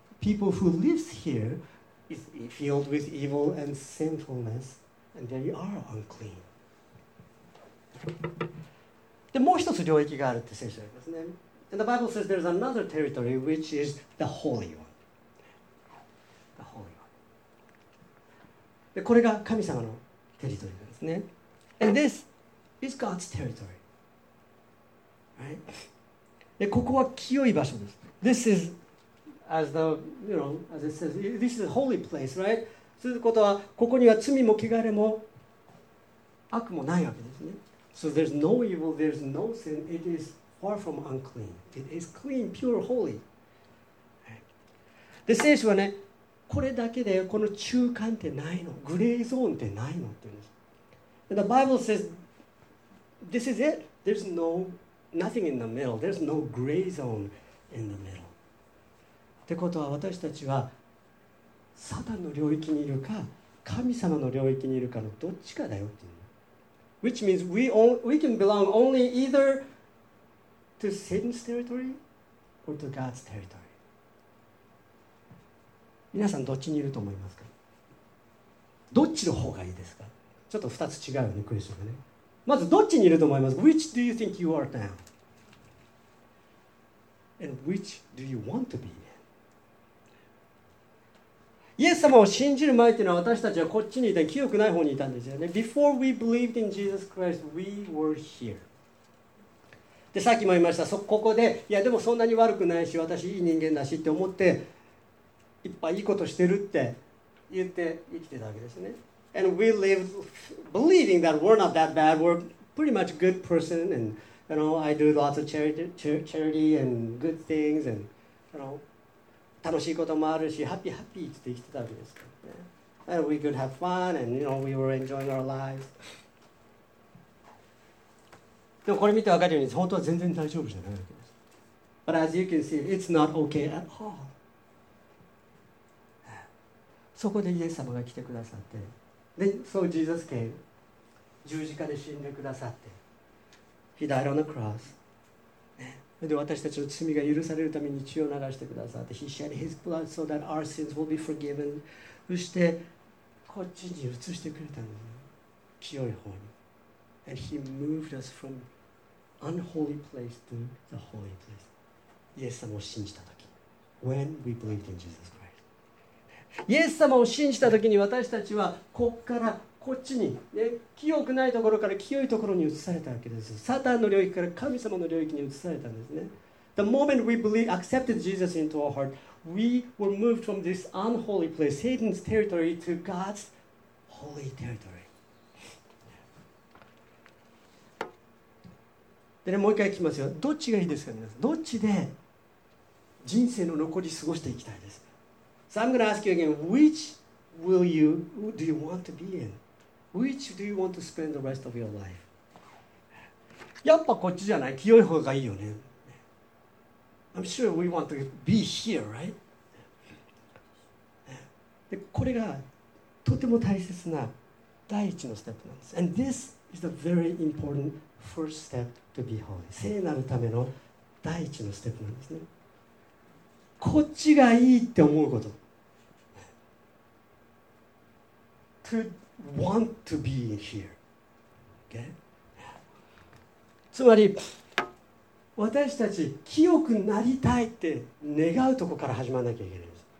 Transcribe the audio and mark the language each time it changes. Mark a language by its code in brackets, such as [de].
[en] people who lives here is filled with evil and sinfulness, and they are unclean. [ja] でもう一つ領域があるって聖書ありますね。 [en] And the Bible says there's another territory which is the holy one. The holy one. [ja] でこれが神様のテリトリーなんですね。 [en] And this is God's territory. Right? [ja] でここは清い場所です。 [en] This is, as the, you know, as it says, this is a holy place, right? [ja] そういうことはここには罪も汚れも悪もないわけですね。 [en] So there's no evil, there's no sin. It is far from unclean. It is clean, pure, holy. [ja] で、聖書はね、これだけでこの中間ってないの、グレーゾーンってないのって言うんです。 [en] And the Bible says, this is it. There's no, nothing in the middle. There's no gray zone in the middle. [ja] ってことは私たちはサタンの領域にいるか、神様の領域にいるかのどっちかだよっていう。 [en] Which means we can belong only either to Satan's territory or to God's territory. [ja] 皆さんどっちにいると思いますか？どっちの方がいいですか？ちょっと2つ違うよね、クリスチャンがね。まずどっちにいると思います？ [en] Which do you think you are now? And which do you want to be then? [ja] イエス様を信じる前というのは私たちはこっちにいた、清くない方にいたんですよね。 [en] Before we believed in Jesus Christ, we were here. [ja] で、さっきも言いました、ここで、いやでもそんなに悪くないし、私いい人間だしって思って、いっぱいいいことしてるって言って生きてたわけですね。 [en] And we lived believing that we're not that bad. We're pretty much good person. And you know, I do lots of charity and good things. And you know, [ja] 楽しいこともあるし、ハッピーハッピーって生きてたわけですから [en] ね。And we could have fun. And you know, we were enjoying our lives. [ja] でもこれ見てわかるように、本当は全然大丈夫じゃないわけです。 [en] But as you can see, it's not okay at all. [ja] そこでイエス様が来てくださって、で、 [en] so Jesus came, [ja] 十字架で死んでくださって、 [en] He died on the cross. [ja] で、私たちの罪が許されるために血を流してくださって、 [en] He shed His blood so that our sins will be forgiven. [ja] そして、こっちに移してくれたのね、清い方に。 [en] And He moved us from unholy place to the holy place. [ja] イエス様を信じたとき。 [en] When we believed in Jesus Christ. [ja] イエス様を信じたときに私たちはこっからこっちに、ね、清くないところから清いところに移されたわけです。サタンの領域から神様の領域に移されたんですね。 [en] The moment we believed, accepted Jesus into our heart, we were moved from this unholy place, Satan's territory, to God's holy territory. [ja] で、ね、もう一回聞きますよ。どっちがいいですか皆さん。どっちで人生の残り過ごしていきたいですか。 [en] So I'm going to ask you again, which will you, who do you want to be in? Which do you want to spend the rest of your life? [ja] やっぱこっちじゃない。清い方がいいよね。 [en] I'm sure we want to be here, right? [ja] で、これがとても大切な第一のステップなんです。 [en] And this is the very important first step to be holy. [ja] 聖なるための第一のステップなんですね。こっちがいいって思うこと。 [en] To want to be here. Okay? [ja] つまり、私たち、清くなりたいって願うとこから始まらなきゃいけないんです。